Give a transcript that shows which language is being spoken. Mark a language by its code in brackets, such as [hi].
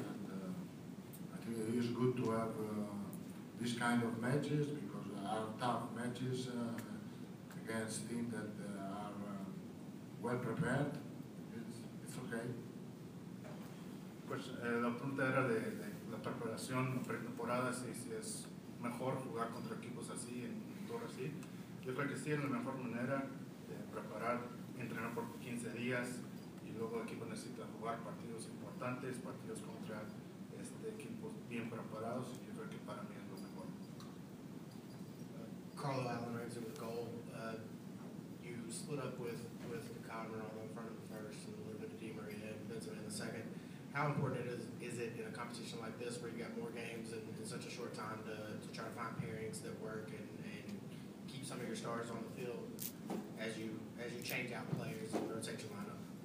[en] And I think it is good to have this kind of matches because they are tough matches. Against team that are well prepared, it's okay. [es] Pues la pregunta era de la preparación pretemporada, si es mejor jugar contra equipos así en todo así. Yo creo que sí es la mejor manera de preparar, entrenar por 15 días y luego el equipo necesita jugar partidos importantes, partidos contra equipos bien preparados. Yo creo que para mí es lo mejor. [en] Carlo Allen Ramsey with Goal. You split up with Cameron on the front of the first and a little bit of Di Maria and Benzema in the second. How important is it in a competition like this where you got more games and in such a short time to try to find pairings that work and keep some of your stars on the field as you change out players and rotate your lineup?